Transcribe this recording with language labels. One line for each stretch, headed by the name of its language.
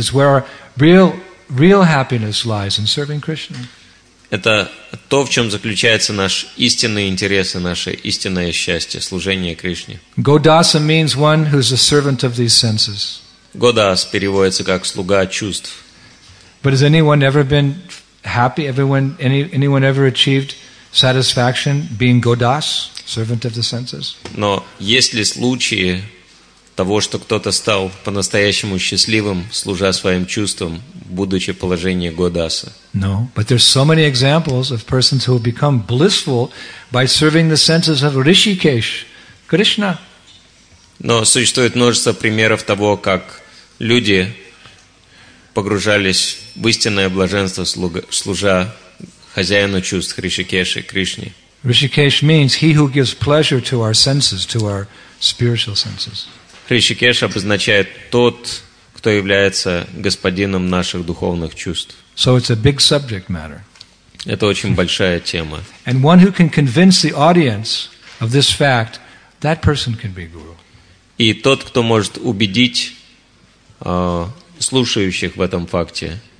English: It's where our real happiness lies in serving Krishna.
Russian: Это то, в чем заключается наш истинный интерес и наше истинное счастье, служение Кришне.
English: Godasa means one who is a servant of these senses.
Russian: Godas переводится как слуга чувств.
English: But has anyone ever been happy? Anyone ever achieved satisfaction being Godas, servant of the senses?
Russian: Но есть ли случаи того, что кто-то стал по-настоящему счастливым, служа своим чувствам, будучи в положении Годаса?
English: No, but there's so many examples of persons who have become blissful by serving the senses of Rishikesh,
Russian: Кришна. Но существует множество примеров того, как люди погружались в истинное блаженство, служа хозяину чувств Ришикеши, Кришне.
English: Ришикеш means he who gives pleasure to our senses, to our spiritual senses.
Russian: Ришикеш обозначает тот, кто является господином наших духовных чувств.
English: So it's a big subject matter.
Russian: Это очень большая тема.
English: And one who can convince the audience of this fact, that person can be guru.
Russian: И тот, кто может убедить слушающих в этом факте,